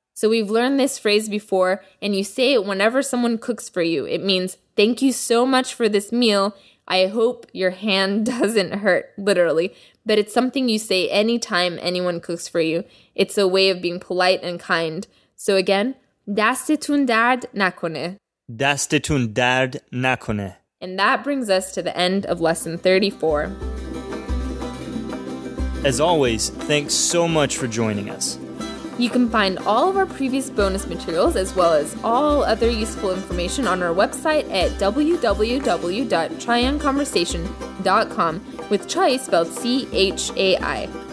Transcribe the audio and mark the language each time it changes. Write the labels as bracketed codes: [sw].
[en] So we've learned this phrase before, and you say it whenever someone cooks for you. It means, thank you so much for this meal. I hope your hand doesn't hurt, literally. But it's something you say anytime anyone cooks for you. It's a way of being polite and kind. [fa] So again, دستتون درد نکنه. دستتون درد نکنه. [en] And that brings us to the end of lesson 34. As always, thanks so much for joining us. You can find all of our previous bonus materials as well as all other useful information on our website at www.chaianconversation.com with Chai spelled C-H-A-I.